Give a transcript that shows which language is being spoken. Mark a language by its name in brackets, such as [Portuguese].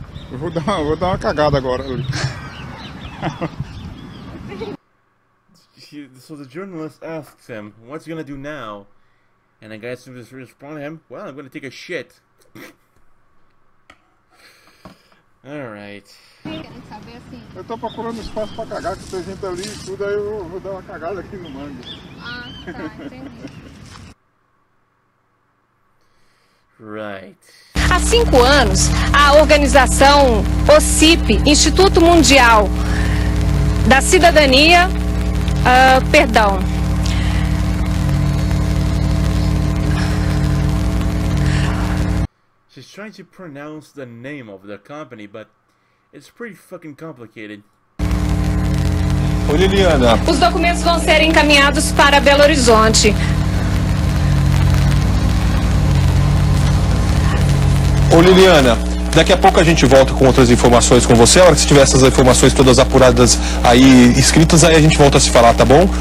[Portuguese] Eu vou dar uma cagada agora. [English] So the journalist asks him, what's he gonna do now? And the guy seems to respond to him, well, I'm gonna take a shit. Alright. [Portuguese] Eu tô procurando espaço pra cagar, que tem gente ali e tudo, aí eu vou dar uma cagada aqui no mangue. Ah, tá, entendi. [English] Right. [Portuguese] Há 5 anos, a organização OCIP, Instituto Mundial da Cidadania, perdão. [English] She's trying to pronounce the name of the company, but it's pretty fucking complicated. [Portuguese] Oi, Liliana. Os documentos vão ser encaminhados para Belo Horizonte. Oi, Liliana. Daqui a pouco a gente volta com outras informações com você. A hora que você tiver essas informações todas apuradas aí, escritas, aí a gente volta a se falar, tá bom?